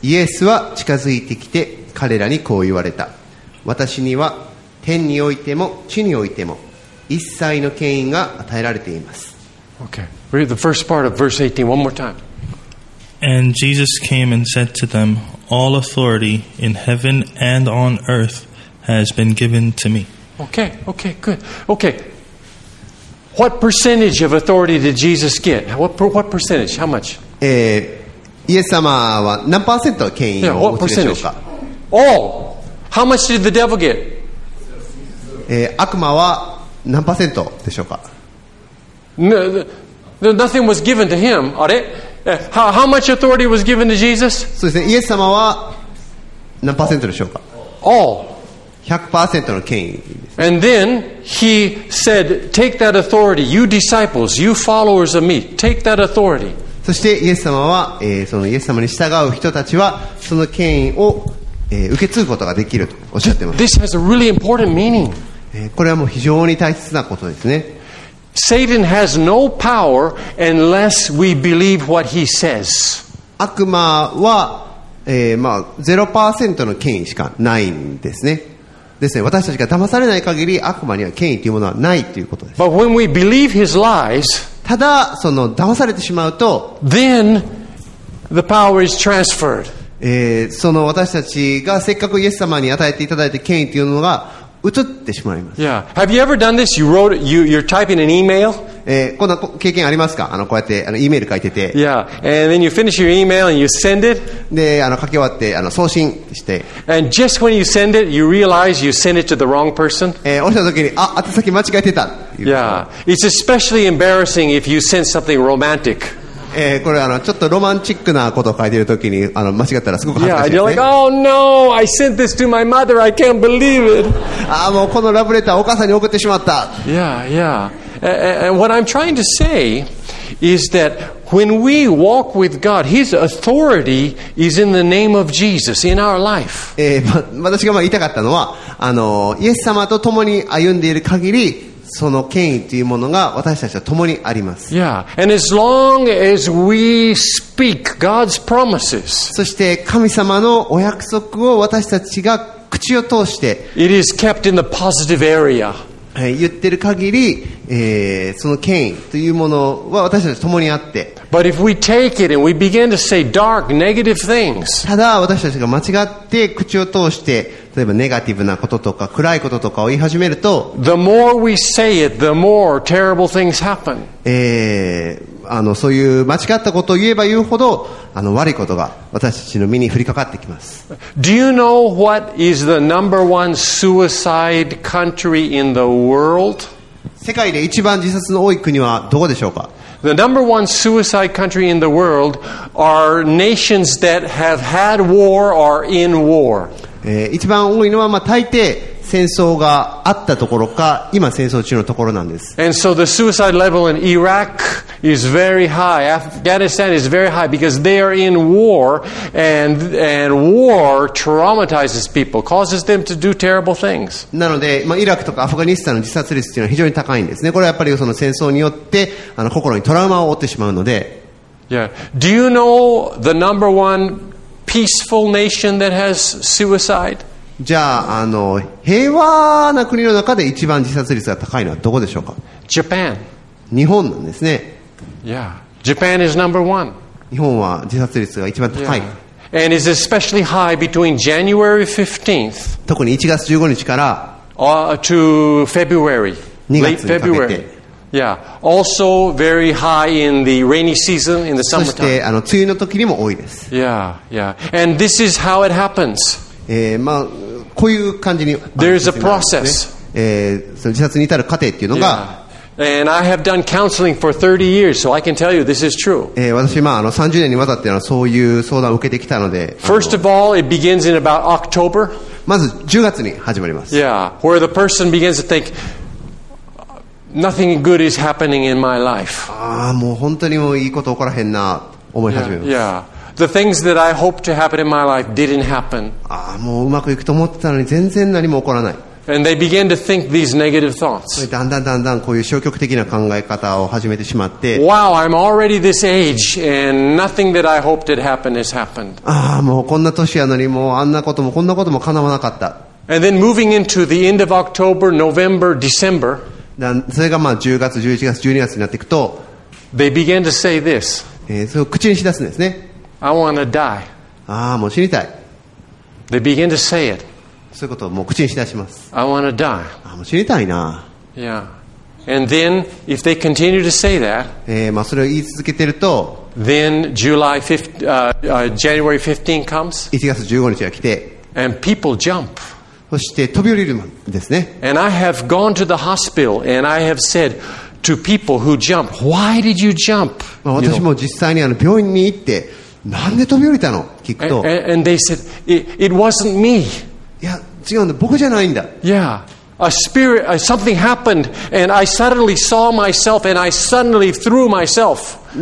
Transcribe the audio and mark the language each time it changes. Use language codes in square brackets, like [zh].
[ja] イエスは近づいてきて彼らにこう言われた。私には天においても地においても一切の権威が与えられています。 [en] Okay. Read the first part of verse 18 one more time. And Jesus came and said to them, all authority in heaven and on earth has been given to me. Okay, good. Okay. What percentage of authority did Jesus get? What percentage? How much? [ja] イエス様は何パーセント権威を持ってるでしょうか。 [en] All. How much did the devil get? [ja] 悪魔は何パーセントでしょうか。 [en] Nothing was given to him. あれ how much authority was given to Jesus? [ja] そうですね。イエス様は何パーセントでしょうか。 [en] All. [ja] 100% の権威。 [en] And then he said, take that authority, you disciples, you followers of me, take that authority. [ja] そしてイエス様は、そのイエス様に従う人たちはその権威を、受け継ぐことができるとおっしゃっています。 [en] This has a really important meaning. [ja] これはもう非常に大切なことですね。 [en] Satan has no power unless we believe what he says. [ja] 悪魔は、0% の権威しかないんですね。ですね、私たちが騙されない限り悪魔には権威というものはないということです。 [en] But when we believe his lies [ja] ただその騙されてしまうと [en] Then, the power is transferred. [ja] その私たちがせっかくイエス様に与えていただいた権威というのが移ってしまいます。 [en] Yeah. Have you ever done this? You're typing an email? [ja] こんな経験ありますか。こうやってEメール書いてて [en] Yeah. And then you finish your email and you send it. [ja] で書き終わって送信して。 [en] And just when you send it, you realize you sent it to the wrong person. [ja] 押した時に宛先間違えてた。 [en] Yeah, it's especially embarrassing if you send something romantic. [ja] これちょっとロマンチックなことを書いているときに間違ったらすごく恥ずかしいですね。 [en] Yeah, you're like, oh no, I sent this to my mother, I can't believe it. [ja] もうこのラブレターをお母さんに送ってしまった。 [en] Yeah, yeah. And what I'm trying to say is that when we walk with God, His authority is in the name of Jesus in our life. [ja] 私が言いたかったのはイエス様と共に歩んでいる限りその権威というものが私たちと共にあります。 [en] Yeah. And as long as we speak God's promises, [ja] そして神様のお約束を私たちが口を通して [en] it is kept in the positive area. [ja] 言ってる限り、その権威というものは私たち共にあって。 [en] But if we take it and we begin to say dark, negative things. [ja] ただ私たちが間違って口を通して、例えばネガティブなこととか暗いこととかを言い始めると、 [en] The more we say it, the more terrible things happen. [ja] そういう間違ったことを言えば言うほど、悪いことが私たちの身に降りかかってきます。 [en] Do you know what is the number one suicide country in the world? [ja] 世界で一番自殺の多い国はどこでしょうか? [en] The number one suicide country in the world are nations that have had war or in war. [ja] 一番多いのは、大抵戦争があったところか、今戦争中のところなんです。 [en] And so the suicide level in Iraq is very high. Afghanistan is very high because they are in war, and war traumatizes people, causes them to do terrible things. [ja] なので、イラクとかアフガニスタンの自殺率っていうのは非常に高いんですね。これはやっぱりその戦争によって、心にトラウマを負ってしまうので。 [en] Yeah. Do you know the number one peaceful nation that has suicide? [ja] じゃあ、平和な国の中で一番自殺率が高いのはどこでしょうか? [en] Japan. [ja] 日本なんですね。 [en] Yeah. Japan is number one. [ja] 日本は自殺率が一番高い。 [en] Yeah. And is especially high between January 15th. [ja] 特に1月15日から [en] to February. [ja] 2月にかけて。February. [en] Yeah. Also very high in the rainy season, in the summertime. [ja] そして、梅雨の時にも多いです。 [en] Yeah. Yeah. And this is how it happens. [ja] こういう感じに、 [en] There's a process. [ja] その自殺に至る過程っていうのが、 [en] And I have done counseling for 30 years, so I can tell you this is true. [ja] 私、30年にわたってそういう相談を受けてきたので、 [en] First of all, it begins in about October. [ja] まず10月に始まります。 [en] Yeah, where the person begins to think nothing good is happening in my life. [ja] もう本当にもういいこと起こらへんな、思い始めます。 [en] Yeah. Yeah. The things that I hoped to happen in my life didn't happen. [ja] もううまくいくと思ってたのに全然何も起こらない。 [en] And they began to think these negative thoughts. [ja] だんだんだんだんこういう消極的な考え方を始めてしまって。 [en] Wow, I'm already this age and nothing that I hoped had happened has happened. [ja] もうこんな年やのにもうあんなこともこんなことも叶わなかった。 [en] And then moving into the end of October, November, December. [ja] それが10月、11月、12月になっていくと。 [en] They began to say this. [ja] そう口にしだすんですね。 [en] I want to die. [ja] もう死にたい。 [en] They begin to say it. [ja] そういうことをもう口にしだします。 [en] I want to die. [ja] もう死にたいな。 [en] Yeah. And then, if they continue to say that, [ja] それを言い続けてると、 [en] then July 5th, January 15 comes. [ja] 1月15日が来て、 [en] and people jump. [ja] そして飛び降りるんですね。 [en] And I have gone to the hospital and I have said. To people who jump, why did you jump? [ja] 私も実際に病院に行って、なんで飛び降りたの？聞くと、 [en] and they said, it wasn't me. [ja] いや、違うんだ、僕じゃないんだ。 [en] Yeah, a spirit, something happened, and I suddenly saw myself, and I suddenly threw myself.